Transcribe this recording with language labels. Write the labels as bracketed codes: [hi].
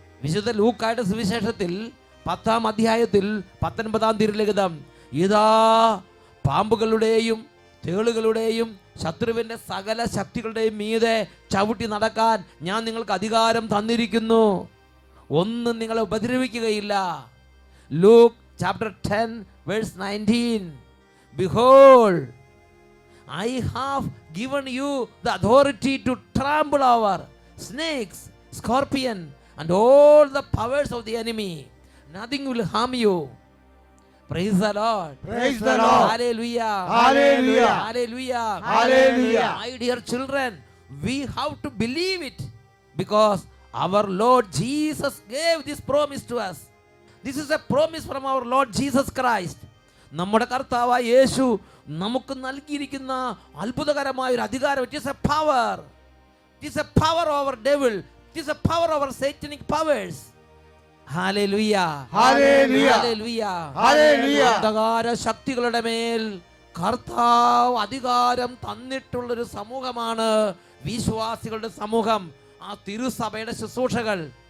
[ml] വിശുദ്ധ ലൂക്കായുടെ സുവിശേഷത്തിൽ 10-ാം അധ്യായത്തിൽ 19-ാം തിരുലിഖിതം, ഇതാ പാമ്പുകളുടെയും തേളുകളുടെയും ശത്രുവിൻ്റെ സകല ശക്തികളുടെയും മീതെ ചവിട്ടി നടക്കാൻ ഞാൻ നിങ്ങൾക്ക് അധികാരം തന്നിരിക്കുന്നു, ഒന്നും നിങ്ങളെ ഉപദ്രവിക്കുകയില്ല. [en] Luke 10:19. Behold, I have given you the authority to trample over snakes, scorpion and all the powers of the enemy, nothing will harm you. Praise the Lord. Praise the Lord. Hallelujah. Hallelujah. Hallelujah. Hallelujah. My dear children, we have to believe it, because our Lord Jesus gave this promise to us. This is a promise from our Lord Jesus Christ. [ml] നമ്മുടെ കർത്താവായ യേശു നമുക്ക് നൽകിയിരിക്കുന്ന അത്ഭുതകരമായ ഒരു അധികാരം. [en] It is a power. It is a power over devil. It is a power over satanic powers. [ml] Hallelujah, hallelujah, hallelujah, hallelujah. അന്ധകാര ശക്തികളുടെ മേൽ കർത്താവ് അധികാരം തന്നിട്ടുള്ള ഒരു സമൂഹമാണ് വിശ്വാസികളുടെ സമൂഹം, ആ തിരുസഭയുടെ ശുശ്രൂഷകൾ.